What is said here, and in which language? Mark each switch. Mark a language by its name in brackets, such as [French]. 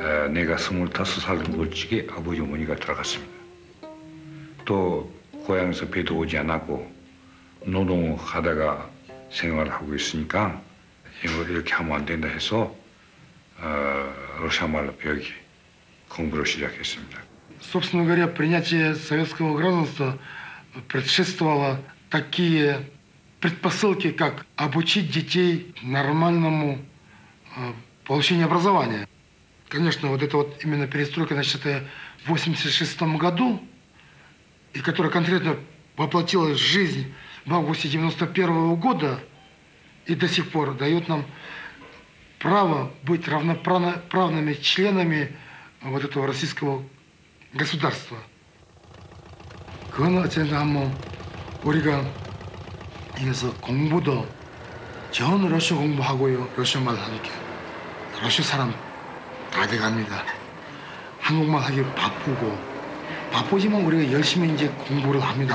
[Korean] 내가 스물다섯 살 무지개 아버지 어머니가 돌아갔습니다. 또 고향에서 배도 오지 않았고 노동을 하다가 생활을 하고 있으니까 이걸 이렇게 하면 안 된다 해서 러시아말로 배우기 공부를 시작했습니다. [Russian] Собственно говоря, принятие советского гражданства предшествовало такие предпосылки, как обучить детей нормальному получению образования. Конечно, вот эта вот именно перестройка, начатая в 86 году, и которая конкретно воплотилась в жизнь в августе 91 года и до сих пор дает нам право быть равноправными членами вот этого российского государства. [Korean] 그건 어쨌든 한번 우리가 여기서 공부도 전 러시아 공부하고요. 러시아말 하니까 러시아 사람 다 돼갑니다. 한국말 하기 바쁘고 바쁘지만 우리가 열심히 이제 공부를 합니다.